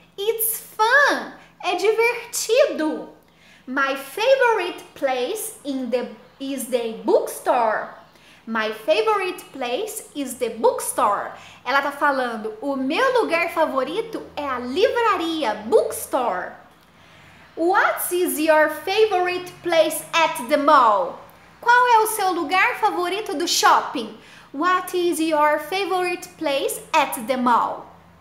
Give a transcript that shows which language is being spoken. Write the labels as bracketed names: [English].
[English] It's fun. [Portuguese] É divertido. [English] My favorite place is the bookstore. My favorite place is the bookstore. [Portuguese] Ela tá falando, o meu lugar favorito é a livraria, bookstore. [English] What is your favorite place at the mall? [Portuguese] Qual é o seu lugar favorito do shopping? [English] What is your favorite place at the mall?